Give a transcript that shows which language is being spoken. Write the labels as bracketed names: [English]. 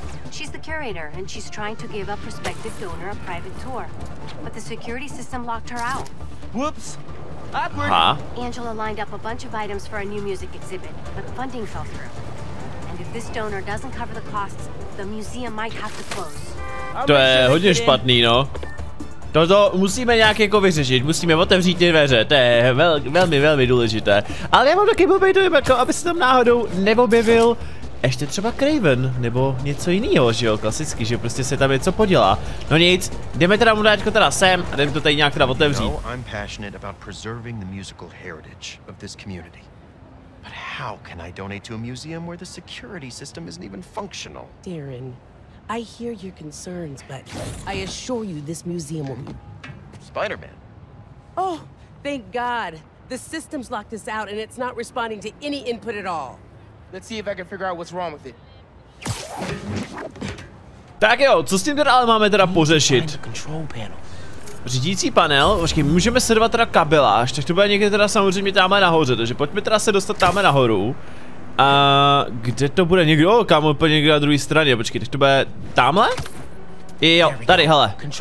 [English] She's the curator and she's trying to give a prospective donor a private tour. But the security system locked her out. Whoops. Angela lined up a bunch of items for a new music exhibit, but funding fell through. And if this donor doesn't cover the costs, the museum might have to close. [Czech] To je hodně špatný, no. Toto musíme nějak jako vyřešit, musíme otevřít ty dveře, to je velmi důležité. Ale já mám taky blbej dojem, jako aby se tam náhodou neobjevil ještě třeba Kraven, nebo něco jiného, že jo, klasicky, že prostě se tam něco podělá. No nic, jdeme teda mu dát jako teda sem a jdeme to tady nějak teda otevřít. Jsem [English] passionate about preserving the musical heritage of this community. But how can I donate to a museum where the security system isn't even functional? Darren. I hear your concerns, but I assure you this museum will be... Spider-Man. Oh, thank God. The system's locked us out and it's not responding to any input at all. Let's see if I can figure out what's wrong with it. [Czech] Tak jo, co s tím teda ale máme teda pořešit? Řídící panel, počkej, můžeme sledovat teda kabeláž, tak to bude někde teda samozřejmě tamhle nahoře, takže pojďme teda se dostat tamhle nahoru. A kde to bude někdo? Kámo, úplně někde na druhé straně, počkej, tak to bude tamhle? Jo, tady, hele.